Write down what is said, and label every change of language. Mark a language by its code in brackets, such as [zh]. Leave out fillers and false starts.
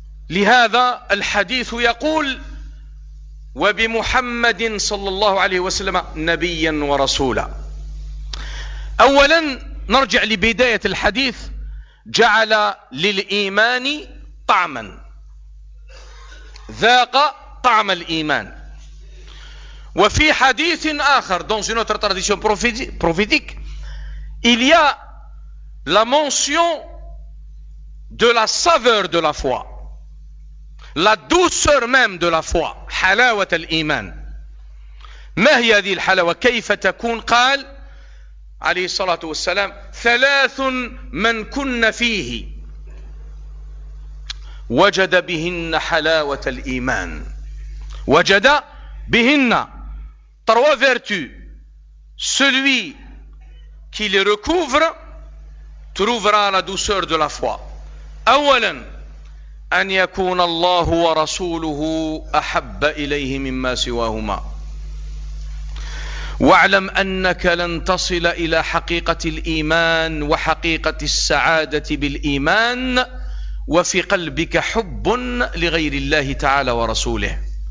[ar] لهذا الحديث يقول: وبمحمد صلى الله عليه وسلم نبيا ورسولا. أولا نرجع لبداية الحديث، جعل للإيمان طعما، ذاق طعم الإيمان. وفي حديث آخر [fr] dans une autre tradition prophétique il y a la mention de la saveur de la foi, la douceur même de la foi, [ar] حلاوة الإيمان. ما هي هذه الحلاوة؟ كيف تكون؟ قال عليه الصلاة والسلام: ثلاث من كن فيه وجد بهن حلاوة الإيمان. وجد بهن [fr] trois vertus, celui qui les recouvre trouvera la douceur de la foi. [ar] أولا أن يكون الله ورسوله أحب إليه مما سواهما. واعلم أنك لن تصل إلى حقيقة الإيمان وحقيقة السعادة بالإيمان وفي قلبك حب لغير الله تعالى ورسوله.